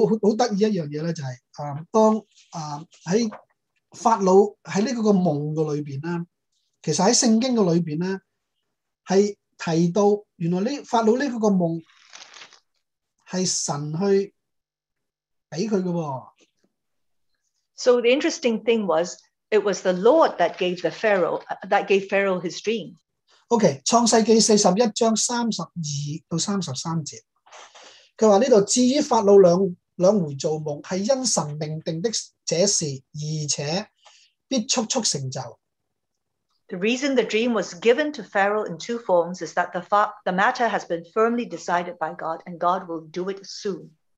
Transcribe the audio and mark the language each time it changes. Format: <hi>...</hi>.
<zh>从那个大饥荒里面。其实很有趣的一件事，就是很有趣的一件事，就是当在 法老在这个梦里面，其实在圣经里面，是提到原来法老这个梦是神去给他的。So</zh> <en>the interesting thing was, it was the Lord that gave the Pharaoh, that gave Pharaoh his dream.</en> <zh>Okay, 创世纪41章32到33节，他说这里至于法老两回做梦，是因神命定的这事，而且</zh> <en>The reason the dream was given to Pharaoh in two forms is that the matter has been firmly decided by God and God will do it soon.</en>